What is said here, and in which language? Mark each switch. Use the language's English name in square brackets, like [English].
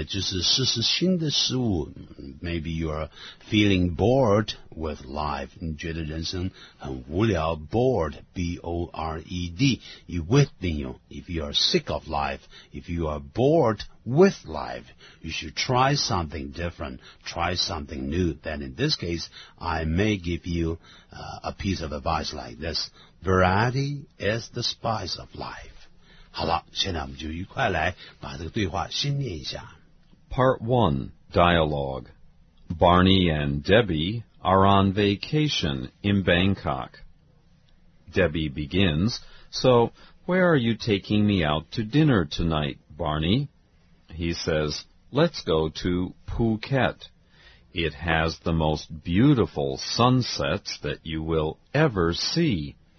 [Chinese] 就是试试新的事物, [English] maybe you're feeling bored with life, [Chinese] 你觉得人生很无聊, [English] bored, B-O-R-E-D, 以为病用, if you are sick of life, if you are bored with life, you should try something different, try something new. Then in this case, I may give you a piece of advice like this, variety is the spice of life. [Chinese] 好了,现在我们就一块来把这个对话先念一下。 [English] Part 1, Dialogue. Barney and Debbie are on vacation in Bangkok. Debbie begins, "So, where are you taking me out to dinner tonight, Barney?" He says, "Let's go to Phuket. It has the most beautiful sunsets that you will ever see.